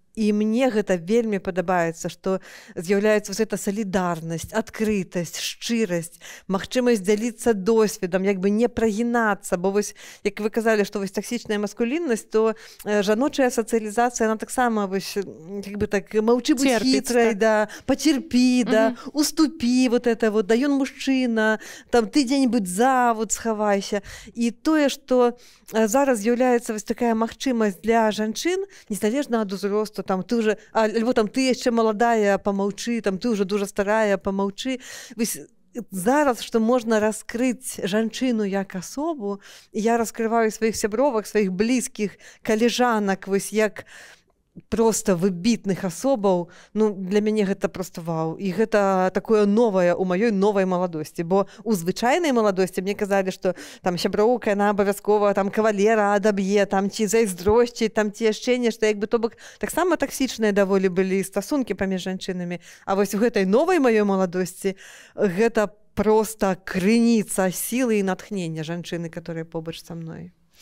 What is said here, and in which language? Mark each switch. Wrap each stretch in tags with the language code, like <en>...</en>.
<be>І мне гэта вельмі падабаецца, што з'яўляецца гэта салідарнасць, адкрытасць, шчырасць, магчымасць дзяліцца досведам, як бы не прагінацца, бо вось, як вы казалі, што вось таксічная маскулінасць, то жаночая сацыялізацыя, яна таксама вось як бы так маўчы будзь хітрай, да, пацерпі, да, уступі,</be> <ru>вот это вот,</ru> <be>да, ён мужчына, там ты дзе-небудзь за вот схавайся. І тое, што зараз з'яўляецца вось такая магчымасць для жанчын, незалежна ад узросту,</be> <ru>что там ты уже, альбо там ты еще молодая, помолчи, там ты уже дуже старая, помолчи.</ru> <be>Зараз,</be> <ru>что можно раскрыть</ru> <be>жанчыну як асобу, я раскрываю своих сябровак,</be> <ru>своих близких,</ru> <be>калежанак, вось як просто выбітных асобаў, ну, для мяне гэта просто вау. І гэта такое новае у маёй новай маладосці. Бо ў звычайнай маладосці мне казалі, што там сяброўка, яна абавязкова там кавалера адаб'е, там ці зайздросці, там ці яшчэ нешта, як бы то бок таксама таксічныя даволі былі стасункі паміж жанчынамі. А вось у гэтай новай маёй маладосці гэта просто крыніца сілы і натхнення жанчыны, которая побач са мной.</be>